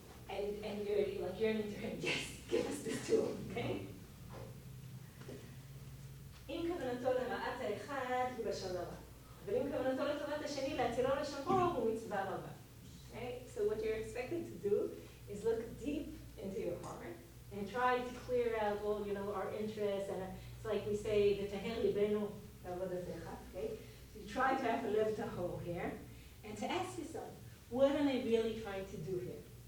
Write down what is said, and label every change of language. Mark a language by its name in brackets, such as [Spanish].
[English] And you're like yearning to him, yes, give us this tool, okay? [Hebrew] אם כוונתו לרעת האחד הוא לשון הרע, אבל אם כוונתו לטובת השני להצילו לשמור הוא מצווה רבה. [English] Okay? So what you're expected to do is look deep into your heart and try to clear out all, you know, our interests, and it's like we say, [Hebrew] ותהר ליבנו לעבודתך, [English] okay? So you try to have a לב טהור here and to ask yourself, what am I really trying to do here?